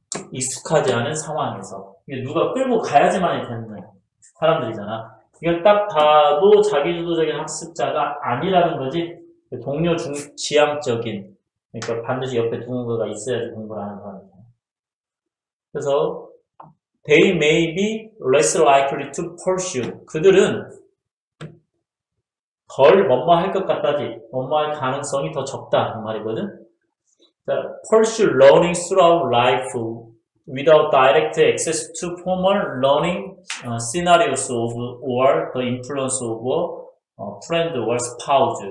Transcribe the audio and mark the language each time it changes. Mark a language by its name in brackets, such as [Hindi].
[Korean] 익숙하지 않은 상황에서 누가 끌고 가야지만이 되는 사람들이잖아. 이걸 딱 봐도 자기주도적인 학습자가 아니라는 거지. 동료 중 지향적인 그러니까 반드시 옆에 누군가가 있어야지 공부를 하는 거니까. 그래서 [English] they may be less likely to pursue. [Korean] 그들은 덜 뭐뭐할 것 같다지. 뭐뭐할 가능성이 더 적다 그 말이거든. [English] 자, pursue learning throughout life without direct access to formal learning scenarios of or the influence of a friend or spouse.